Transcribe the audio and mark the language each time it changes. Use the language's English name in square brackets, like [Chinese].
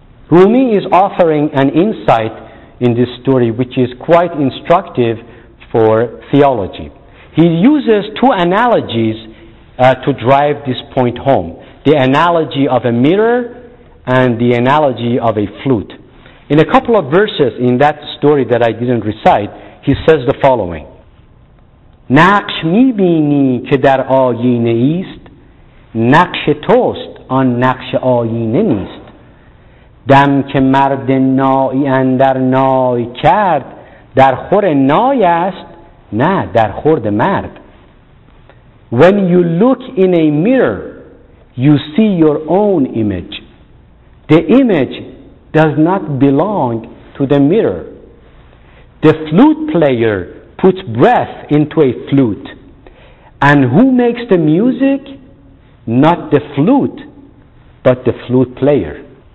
[English] Rumi is offering an insight in this story which is quite instructive for theology. He uses two analogies to drive this point home. The analogy of a mirror and the analogy of a flute. In a couple of verses in that story that I didn't recite, he says the following. [Persian] نقش میبینی که در آینه ایست نقش توست آن نقش آینه نیست دم که مرد نای اندر نای کرد در خور نای است نه در خورد مرد. [English] When you look in a mirror, you see your own image. The image does not belong to the mirror. The flute player puts breath into a flute. And who makes the music? Not the flute, but the flute player.